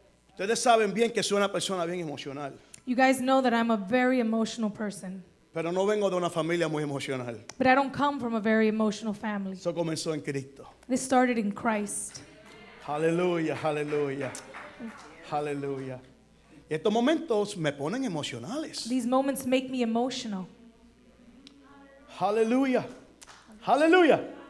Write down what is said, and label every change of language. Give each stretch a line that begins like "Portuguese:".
Spanish: Ustedes saben bien que soy una persona bien emocional.
English: You guys know that I'm a very emotional person.
Spanish: Pero no vengo de una familia muy emocional.
English: But I don't come from a very emotional family.
Spanish: Eso comenzó en Cristo.
English: This started in Christ. Hallelujah, hallelujah. Hallelujah.
Spanish: Y estos momentos me ponen emocionales.
English: These moments make me emotional. Hallelujah. Hallelujah.